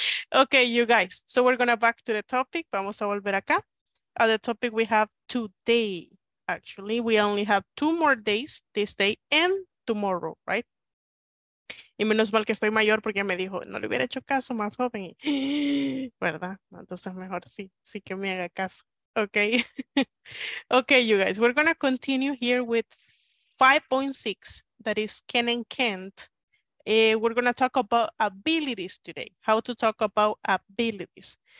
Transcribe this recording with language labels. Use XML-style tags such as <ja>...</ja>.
<en>Ok, you guys, so we're gonna back to the topic.</en> <es>Vamos a volver acá.</es> <en>The topic we have today, actually, we only have 2 more days, this day and tomorrow, right?</en> <es>Y menos mal que estoy mayor porque me dijo, no le hubiera hecho caso más joven, ¿verdad? Entonces mejor sí que me haga caso, okay?</es> <en>Okay, you guys, we're gonna continue here with 5.6, that is Ken and Kent. We're gonna talk about abilities today, how to talk about abilities.</en>